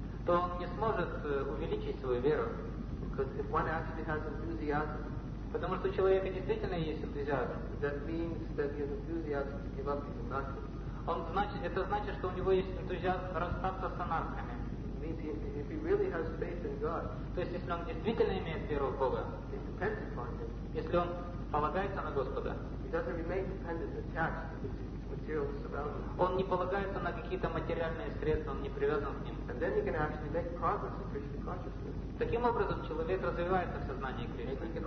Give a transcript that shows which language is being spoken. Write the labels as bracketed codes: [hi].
[ru] То он не сможет увеличить свою веру. [en] Because if one actually has enthusiasm, [ru] потому что у человека действительно есть энтузиазм, [en] that means that he has enthusiasm to give up his anarchy. [ru] Это значит, что у него есть энтузиазм расстаться с анархами. [en] If he really has faith in God, [ru] то есть если он действительно имеет веру в Бога, [en] it depends upon him. [ru] Если он полагается на Господа, [en] he doesn't remain dependent, attached to the material surroundings. [ru] Он не полагается на какие-то материальные средства, он не привязан к ним. [en] And then he can actually make progress in Krishna consciousness. [ru] Таким образом, человек развивается в сознании Кришны.